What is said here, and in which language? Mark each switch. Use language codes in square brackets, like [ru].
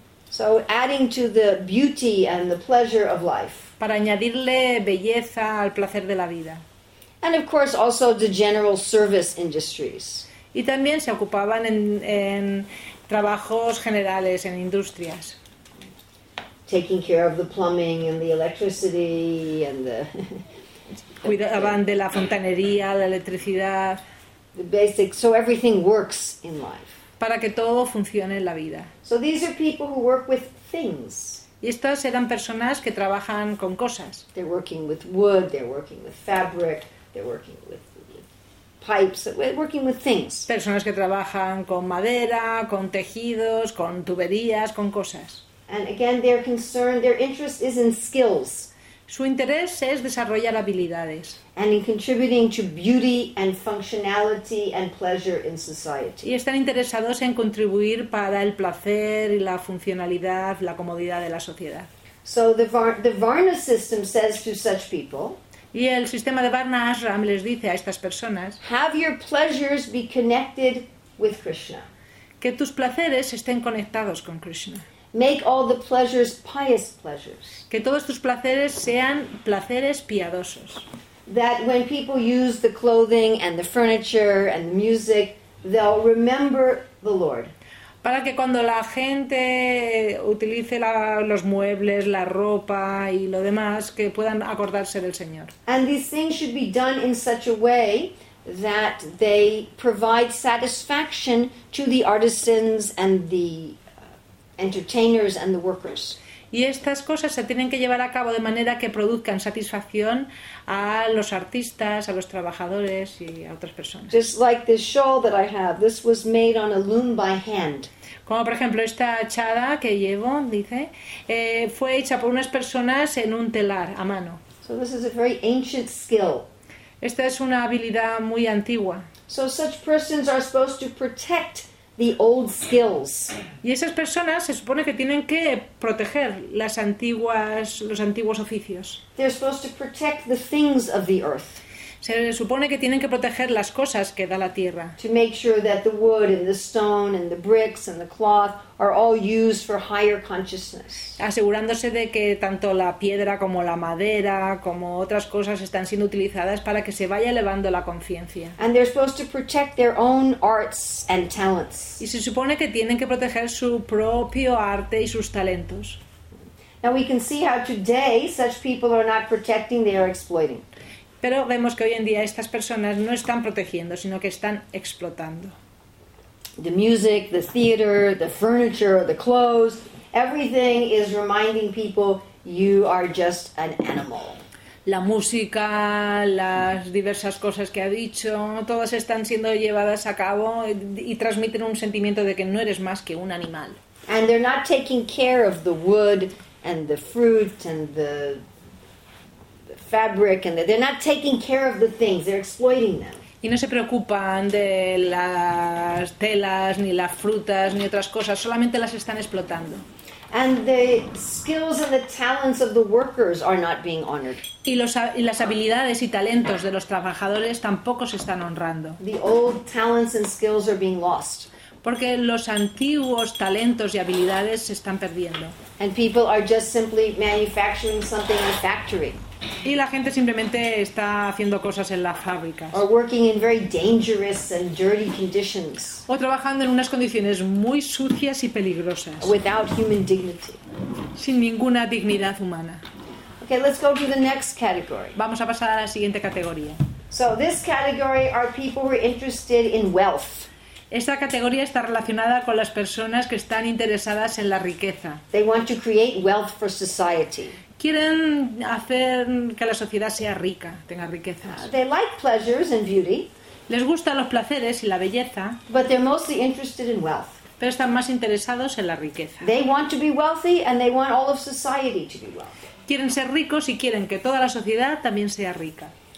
[en] So adding to the beauty and the pleasure of life. [es] Para añadirle belleza al placer de la vida. [en] And of course also the general service industries. [es] Y también se ocupaban en trabajos generales, en industrias. [en] Taking care of the plumbing and the electricity and the... [es] Cuidaban de la fontanería, la electricidad. [en] The basic, so everything works in life. [es] Para que todo funcione en la vida. [en] So these are people who work with things. [es] Y estas eran personas que trabajan con cosas. [en] They're working with wood, they're working with fabric, they're working with pipes, working with things. [es] Personas que trabajan con madera, con tejidos, con tuberías, con cosas. [en] And again, their concern, their interest is in skills. [es] Su interés es desarrollar habilidades. [en] And in contributing to beauty and functionality and pleasure in society. [es] Y están interesados en contribuir para el placer y la funcionalidad, la comodidad de la sociedad. [en] So the Varna system says to such people. [es] Y el sistema de Varna Ashram les dice a estas personas: [en] have your pleasures be connected with Krishna. [es] Que tus placeres estén conectados con Krishna. [en] Make all the pleasures pious pleasures. [es] Que todos tus placeres sean placeres piadosos. [en] That when people use the clothing and the furniture and the music, they'll remember the Lord. [es] Para que cuando la gente utilice los muebles, la ropa y lo demás, que puedan acordarse del Señor. [en] And these things should be done in such a way that they provide satisfaction to the artisans and the entertainers and the workers. [es] Y estas cosas se tienen que llevar a cabo de manera que produzcan satisfacción a los artistas, a los trabajadores y a otras personas. [en] Just like this shawl that I have, this was made on a loom by hand. [es] Como por ejemplo esta chada que llevo, dice, fue hecha por unas personas en un telar a mano. [en] So this is a very ancient skill. [es] Esta es una habilidad muy antigua. [en] So such persons are supposed to protect the old skills. [es] Y esas personas se supone que tienen que proteger los antiguos oficios. [en] They're supposed to protect the things of the earth. [es] Se supone que tienen que proteger las cosas que da la tierra. [en] To make sure that the wood and the stone and the bricks and the cloth are all used for higher consciousness. [es] Asegurándose de que tanto la piedra como la madera como otras cosas están siendo utilizadas para que se vaya elevando la conciencia. [en] And they're supposed to protect their own arts and talents. [es] Y se supone que tienen que proteger su propio arte y sus talentos. [en] Now we can see how today such people are not protecting, they are exploiting. [es] Pero vemos que hoy en día estas personas no están protegiendo, sino que están explotando. [en] The music, the theater, the furniture, the clothes, everything is reminding people you are just an animal. [es] La música, las diversas cosas que ha dicho, todas están siendo llevadas a cabo y transmiten un sentimiento de que no eres más que un animal. [en] And they're not taking care of the wood and the fruit and the fabric, and they're not taking care of the things, they're exploiting them. [es] Y no se preocupan de las telas ni las frutas ni otras cosas, solamente las están explotando. [en] And the skills and the talents of the workers are not being honored. [es] Y las habilidades y talentos de los trabajadores tampoco se están honrando. [en] The old talents and skills are being lost. [es] Porque los antiguos talentos y habilidades se están perdiendo. [en] And people are just simply manufacturing something in a factory. [es] Y la gente simplemente está haciendo cosas en las fábricas. [en] Or working in very dangerous and dirty conditions. [es] O trabajando en unas condiciones muy sucias y peligrosas. [en] Without human dignity. [es] Sin ninguna dignidad humana. [en] Okay, let's go to the next category. [es] Vamos a pasar a la siguiente categoría. [en] So this category are people who are interested in wealth. [es] Esta categoría está relacionada con las personas que están interesadas en la riqueza. [en] They want to create wealth for society. [es] Quieren hacer que la sociedad sea rica, tenga riquezas. [en] They like pleasures and beauty. [es] Les gustan los placeres y la belleza. [en] But they're mostly interested in wealth. [es] Pero están más interesados en la riqueza. [en] They want to be wealthy and they want all of society to be wealthy. [es] Quieren ser ricos y quieren que toda la sociedad también sea rica.